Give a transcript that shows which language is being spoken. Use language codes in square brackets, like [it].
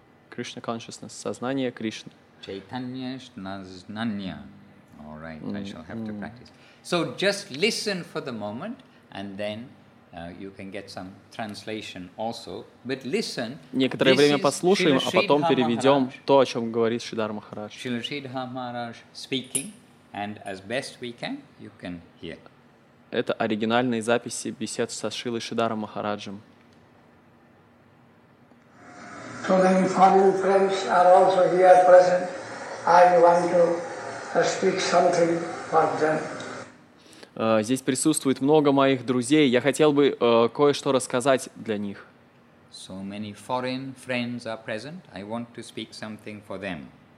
[en] Krishna consciousness. Saznanya Krishna. Chaitanya Saznanya. All right, I shall have to practice. So just listen for the moment and then you can get some translation also, but listen. [ru] Некоторое время послушаем, а потом переведем то, о чем говорит Шридхар Махарадж. [en] Шрила Шридхар Махарадж speaking, and as best we can, you can hear. [ru] Это оригинальные записи бесед со Шрилой Шридхаром Махараджем. [en] to many family friends are also here present. I want to speak something for them. [ru] Здесь присутствует много моих друзей. Я хотел бы кое-что рассказать для них. [en] So many foreign friends are present. I want to speak something for them.